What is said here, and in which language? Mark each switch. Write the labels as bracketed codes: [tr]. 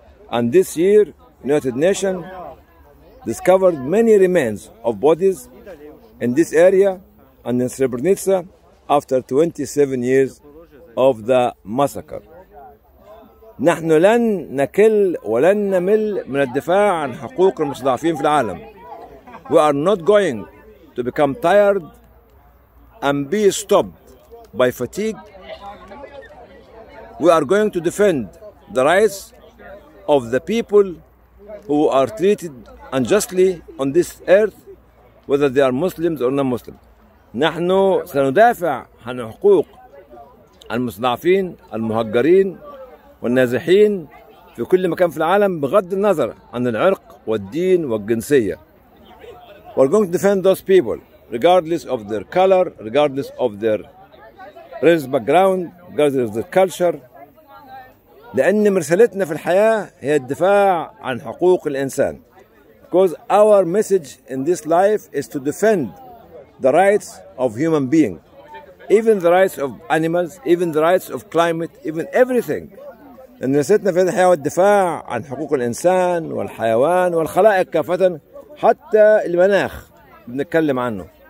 [en] And this year, United Nations discovered many remains of bodies in this area and in Srebrenica after 27 years of the massacre. [ar] نحن لن نكل ولن نمل من الدفاع عن حقوق المستضعفين في العالم. [en] We are not going to become tired and be stopped by fatigue. We are going to defend the rights of the people who are treated unjustly on this earth, whether they are Muslims or non-Muslims. [ar] نحن سندافع عن حقوق المستضعفين المهجرين والنازحين في كل مكان في العالم بغض النظر عن العرق والدين والجنسية. [en] We're going to defend those people regardless of their color, regardless of their race background, regardless of their culture. [ar] لأن مرسلتنا في الحياة هي الدفاع عن حقوق الإنسان. [en] Because our message in this life is to defend the rights of human being, even the rights of animals, even the rights of climate, even everything. [ar] ان رسالتنا في هذه الحياه والدفاع عن حقوق الانسان والحيوان والخلائق كافه حتى المناخ بنتكلم عنه.